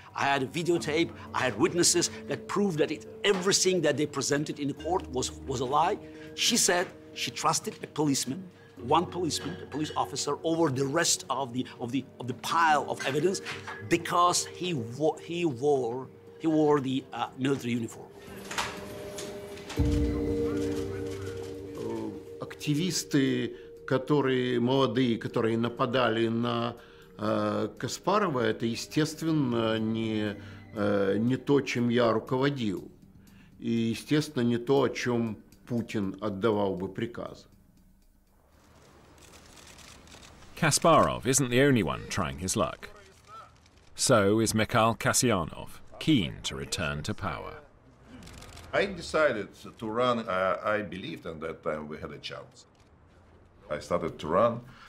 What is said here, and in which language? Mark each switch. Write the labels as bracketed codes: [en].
[en] I had a videotape, I had witnesses that proved that everything that they presented in the court was a lie. She said she trusted a policeman, one policeman, a police officer, over the rest of the pile of evidence because he wore the military uniform. [ru] Активисты, которые молодые, которые нападали на Каспарова, это, естественно, не то, чем я руководил. И, естественно, не то, о чем Путин отдавал бы приказы. [en] Kasparov isn't the only one trying his luck. So is Mikhail Kasianov, keen to return to power. I decided to run. I believed at that time we had a chance. I started to run.